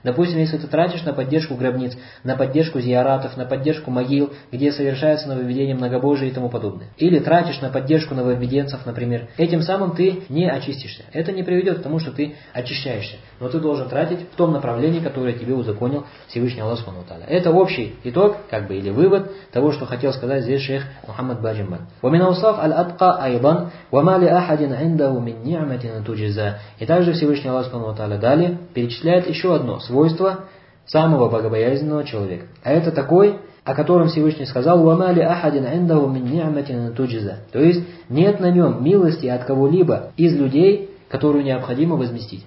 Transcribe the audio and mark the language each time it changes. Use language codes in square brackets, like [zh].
[ru] Допустим, если ты тратишь на поддержку гробниц, на поддержку зиаратов, на поддержку могил, где совершается нововведение многобожие и тому подобное, или тратишь на поддержку нововведенцев, например, этим самым ты не очистишься. Это не приведет к тому, что ты очищаешься, но ты должен тратить в том направлении, которое тебе узаконил Всевышний Аллах субхана ва тааля. Это общий итог, как бы, или вывод того, что хотел сказать здесь шейх Мухаммад Баджимбан. [ar] ومن أوصاف الأتقى أيضا وما لأحد عنده من نعمة تجزى. [ru] И также Всевышний Аллах Субхану ва Тааля далее перечисляет еще одно свойство самого богобоязненного человека. А это такой, о котором Всевышний сказал: [ar] وَمَا لِأَحَدٍ عِنْدَهُ مِنْ نِعْمَةٍ تُجْزَى. [ru] То есть нет на нем милости от кого-либо из людей, которую необходимо возместить.